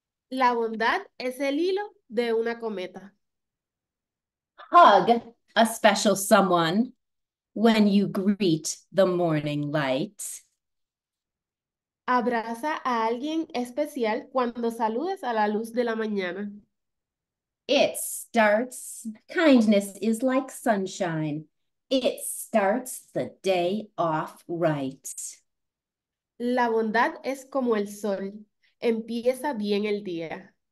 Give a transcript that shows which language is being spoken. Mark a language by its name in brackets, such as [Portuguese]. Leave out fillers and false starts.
[Spanish] La bondad es el hilo de una cometa. [English] Hug a special someone when you greet the morning light. [Spanish] Abraza a alguien especial cuando saludes a la luz de la mañana. [English] It starts, kindness is like sunshine. It starts the day off right. [Spanish] La bondad es como el sol. Empieza bien el día.